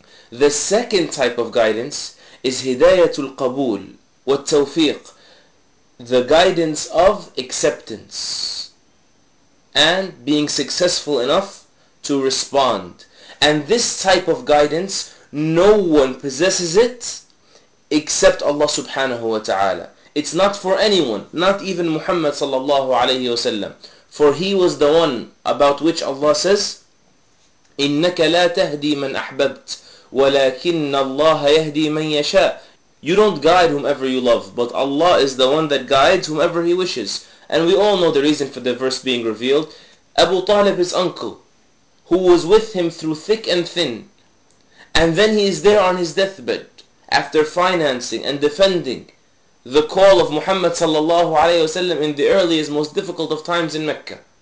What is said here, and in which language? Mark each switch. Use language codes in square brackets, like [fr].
[en] The second type of guidance is [ar] هِدَايَةُ الْقَبُولِ وَالتَّوْفِيقِ, [en] the guidance of acceptance and being successful enough to respond. And this type of guidance, no one possesses it except Allah subhanahu wa ta'ala. It's not for anyone, not even Muhammad sallallahu alayhi wa sallam. For he was the one about which Allah says, [ar] إِنَّكَ لَا تَهْدِي مَنْ أَحْبَبْتِ وَلَكِنَّ اللَّهَ يَهْدِي مَنْ يَشَاءُ. [en] You don't guide whomever you love, but Allah is the one that guides whomever he wishes. And we all know the reason for the verse being revealed. Abu Talib, his uncle, who was with him through thick and thin, and then he is there on his deathbed, after financing and defending the call of Muhammad sallallahu alayhi wa sallam in the earliest, most difficult of times in Mecca.